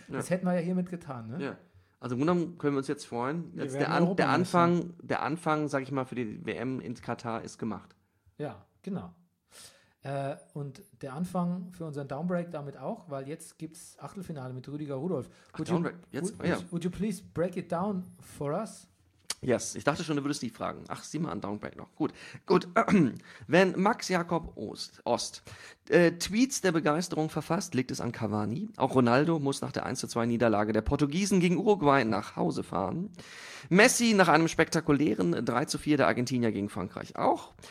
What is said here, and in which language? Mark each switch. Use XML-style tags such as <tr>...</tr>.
<de>Ja. Das hätten wir ja hiermit getan, ne? Ja. Also im Grunde genommen können wir uns jetzt freuen. Jetzt der Anfang, sag ich mal, für die WM in Katar ist gemacht. Ja, genau. Und der Anfang für unseren Downbreak damit auch, weil jetzt gibt es Achtelfinale mit Rüdiger Rudolph. Ach, Downbreak.</de> <en>Would you please break it down for us?</en> <de>Yes, ich dachte schon, du würdest die fragen. Ach, sieh mal an, Downbreak noch. Gut. Gut. Wenn Max Jakob Ost Tweets der Begeisterung verfasst, liegt es an Cavani. Auch Ronaldo muss nach der 1-2-Niederlage der Portugiesen gegen Uruguay nach Hause fahren. Messi nach einem spektakulären 3-4 der Argentinier gegen Frankreich auch.</de>